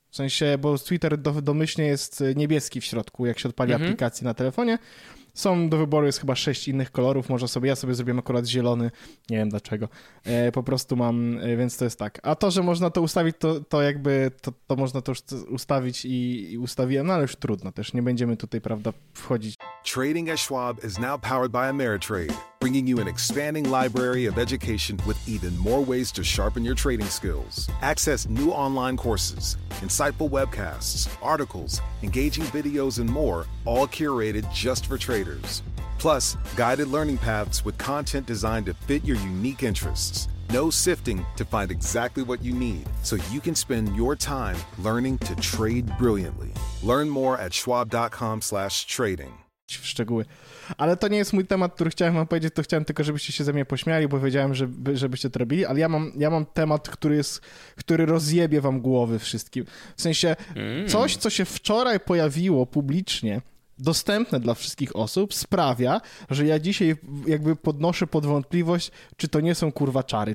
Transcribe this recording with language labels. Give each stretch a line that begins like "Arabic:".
Polish: W sensie, bo Twitter domyślnie jest niebieski w środku, jak się odpali aplikację na telefonie. Są do wyboru, jest chyba 6 innych kolorów, może sobie, ja sobie zrobiłem akurat zielony, nie wiem dlaczego, po prostu mam, więc to jest tak. A to, że można to ustawić, to można to już ustawić i ustawiłem, no ale już trudno też, nie będziemy tutaj, prawda, wchodzić.
English: Trading at Schwab is now powered by Ameritrade, bringing you an expanding library of education with even more ways to sharpen your trading skills. Access new online courses, insightful webcasts, articles, engaging videos, and more, all curated just for traders. Plus, guided learning paths with content designed to fit your unique interests. No sifting to find exactly what you need, so you can spend your time learning to trade brilliantly. Learn more at schwab.com/trading.
Polish: W szczegóły. Ale to nie jest mój temat, który chciałem wam powiedzieć, to chciałem tylko, żebyście się ze mnie pośmiali, bo wiedziałem, żebyście to robili, ale ja mam temat, który rozjebie wam głowy wszystkim. W sensie coś, co się wczoraj pojawiło publicznie, dostępne dla wszystkich osób, sprawia, że ja dzisiaj jakby podnoszę pod wątpliwość, czy to nie są kurwa czary.